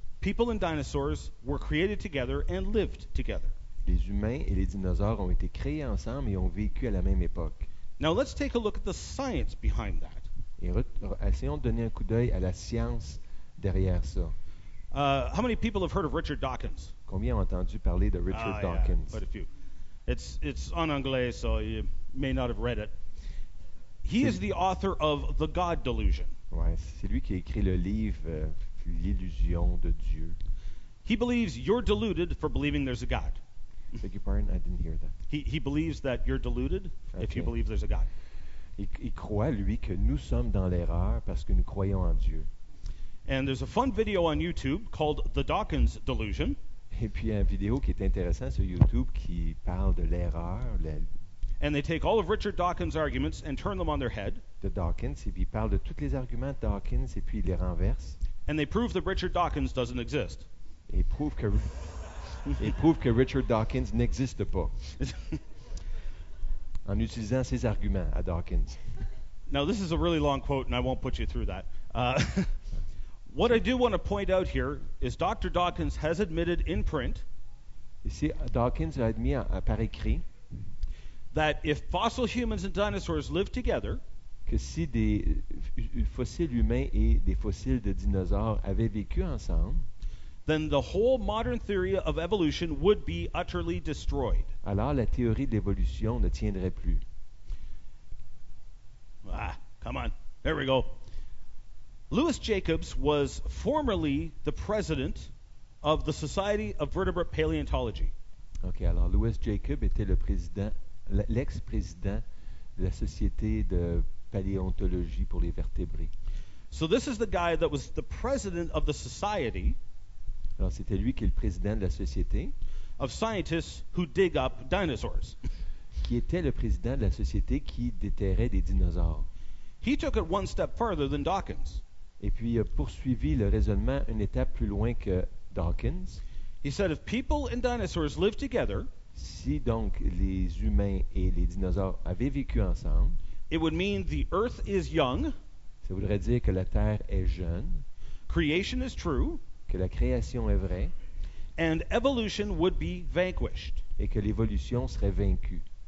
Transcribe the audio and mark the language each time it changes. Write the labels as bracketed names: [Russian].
[English] people and dinosaurs were created together and lived together. [French] Les humains et les dinosaures ont été créés ensemble et ont vécu à la même époque. [English] Now let's take a look at the science behind that. [French] Essayons de donner un coup d'œil à la science derrière ça. [English] How many people have heard of Richard Dawkins? [French] Combien ont entendu parler de Richard Dawkins? [English] Yeah, quite a few. It's [French] en anglais, [English] so you may not have read it. Is the author of The God Delusion. [French] Ouais, c'est lui qui a écrit le livre L'illusion de Dieu. [English] He believes you're deluded for believing there's a God. Beg your pardon, I didn't hear that. He believes that you're deluded if you believe there's a God. [French] Il croit, lui, que nous sommes dans l'erreur parce que nous croyons en Dieu. [English] And there's a fun video on YouTube called The Dawkins Delusion. [French] Et puis, il y a une vidéo qui est intéressante sur YouTube qui parle de l'erreur. [English] And they take all of Richard Dawkins' arguments and turn them on their head. [French] De Dawkins, et puis ils parlent de tous les arguments de Dawkins et puis ils les renversent. And they prove that Richard Dawkins doesn't exist. Et prouve que Richard Dawkins n'existe pas. En utilisant ses arguments à Dawkins. [English] Now, this is a really long quote and I won't put you through that. What I do want to point out here is Dr. Dawkins has admitted in print [French] ici, Dawkins a admis par écrit [English] that if fossil humans and dinosaurs live together, [French] que si des fossiles humains et des fossiles de dinosaures avaient vécu ensemble, [English] then the whole modern theory of evolution would be utterly destroyed. [French] Alors la théorie de l'évolution ne tiendrait plus. [English] Ah, come on. There we go. Louis Jacobs was formerly the president of the Society of Vertebrate Paleontology. [French] OK, alors Louis Jacobs était le président, l'ex-président de la Société de paléontologie pour les vertébrés. [English] So this is the guy that was the president of the society. [French] Alors c'était lui qui est le président de la société. [English] Of scientists who dig up dinosaurs. [French] Qui était le président de la société qui déterrait des dinosaures. [English] He took it one step further than Dawkins. [French] Et puis il a poursuivi le raisonnement une étape plus loin que Dawkins. [English] He said if people and dinosaurs live together, [French] si donc les humains et les dinosaures avaient vécu ensemble, [English] it would mean the earth is young, [French] ça voudrait dire que la terre est jeune, [English] creation is true, [French] que la création est vraie, [English] and evolution would be vanquished, [French] et que l'évolution serait vaincue.